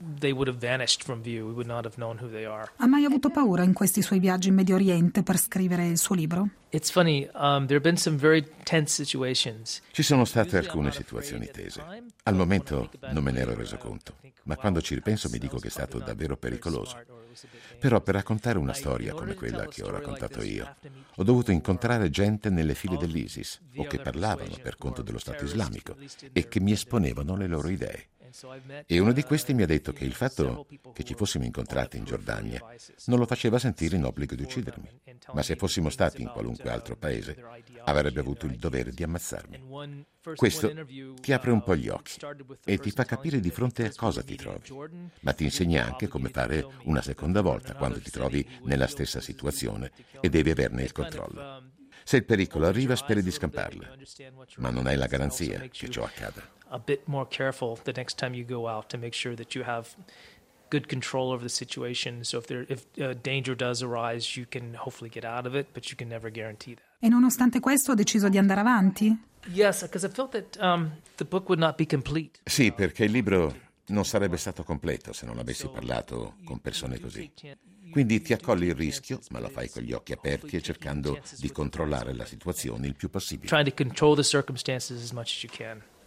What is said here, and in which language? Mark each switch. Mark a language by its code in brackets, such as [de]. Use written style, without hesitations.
[it] Ha mai avuto paura in questi suoi viaggi in Medio Oriente per scrivere il suo libro? [en] It's funny, there have been some very tense situations. [it] Ci sono state alcune situazioni tese. Al momento non me ne ero reso conto, ma quando ci ripenso mi dico che è stato davvero pericoloso. Però per raccontare una storia come quella che ho raccontato io, ho dovuto incontrare gente nelle file dell'ISIS o che parlavano per conto dello Stato Islamico e che mi esponevano le loro idee. E uno di questi mi ha detto che il fatto che ci fossimo incontrati in Giordania non lo faceva sentire in obbligo di uccidermi, ma se fossimo stati in qualunque altro paese avrebbe avuto il dovere di ammazzarmi. Questo ti apre un po' gli occhi e ti fa capire di fronte a cosa ti trovi, ma ti insegna anche come fare una seconda volta quando ti trovi nella stessa situazione e devi averne il controllo. Se il pericolo arriva, speri di scamparla, ma non hai la garanzia che ciò accada. [en] A bit more careful the next time you go out to make sure that you have good control over the situation. So if danger does arise, you can hopefully get out of it, but you can never guarantee that. [it] E nonostante questo, ha deciso di andare avanti? [en] Yes, because I felt that the book would not be complete. [it] Sì, perché il libro non sarebbe stato completo se non avessi parlato con persone così. Quindi ti accolli il rischio, ma lo fai con gli occhi aperti e cercando di controllare la situazione il più possibile. [en] Trying to control the circumstances as much as you can.